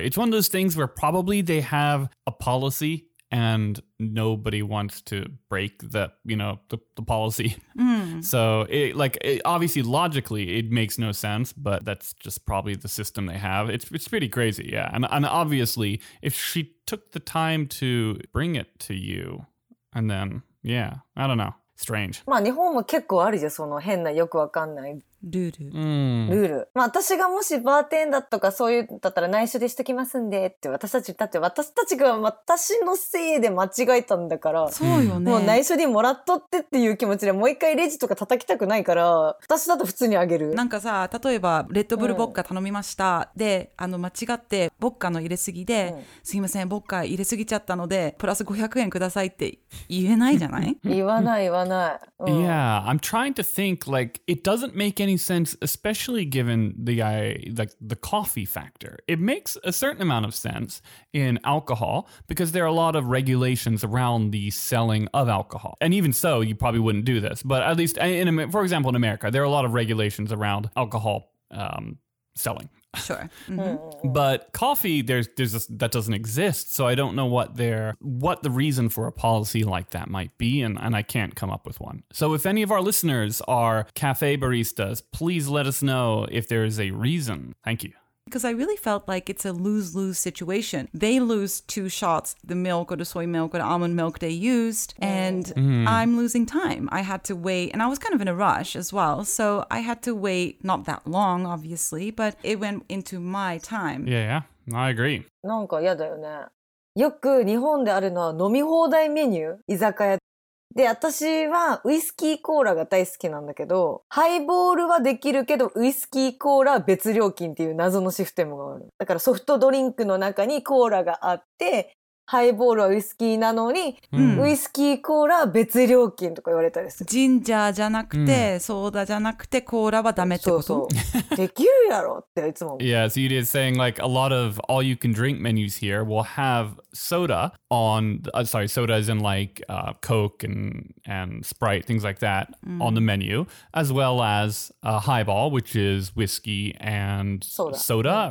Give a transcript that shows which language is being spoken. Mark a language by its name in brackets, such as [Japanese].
[English] It's one of those things where probably they have a policy and nobody wants to break the, you know, the policy. Mm. So, obviously, logically, it makes no sense, but that's just probably the system they have. It's pretty crazy, yeah. And obviously, if she took the time to bring it to you, and then, yeah, I don't know. Strange. [Japanese] まあ日本も結構あるじゃん、その変なよくわかんないルール、ルール。まあ私がもしバーテンだとかそういうだったら内緒でしときますんでって、私たちが私のせいで間違えたんだから、そうよね。もう内緒にもらっとってっていう気持ちでもう一回レジとか叩きたくないから、私だと普通にあげる。なんかさ、例えばレッドブルボッカ頼みました、うん、で、あの間違ってボッカの入れすぎで、うん、すいませんボッカ入れすぎちゃったのでプラス500円くださいって言えないじゃない言わない言わない。 [English] Yeah, I'm trying to think, like, it doesn't make any sense, especially given the coffee factor. It makes a certain amount of sense in alcohol because there are a lot of regulations around the selling of alcohol. And even so, you probably wouldn't do this. But at least, for example, in America, there are a lot of regulations around alcohol selling. Sure. Mm-hmm. But coffee, that doesn't exist. So I don't know what the reason for a policy like that might be. And I can't come up with one. So if any of our listeners are cafe baristas, please let us know if there is a reason. Thank you. Because I really felt like it's a lose-lose situation. They lose two shots, the milk or the soy milk or the almond milk they used, and I'm losing time. I had to wait, and I was kind of in a rush as well, so I had to wait not that long, obviously, but it went into my time. Yeah, yeah, I agree. [Japanese] なんか嫌だよね。よく日本であるのは飲み放題メニュー、居酒屋。で、私はウイスキーコーラが大好きなんだけど、ハイボールはできるけど、ウイスキーコーラは別料金っていう謎のシステムがある。だからソフトドリンクの中にコーラがあって、ハイボールはウイスキーなのに、ウイスキーコーラは別料金とか言われたりする。ジンジャーじゃなくて、ソーダじゃなくて、コーラはダメってこと？そうそう。できるやろっていつも。 [English] Yeah, so you did saying like a lot of all you can drink menus here will have soda on, sorry, soda as in like Coke and Sprite, things like that on the menu, as well as a highball, which is whiskey and soda,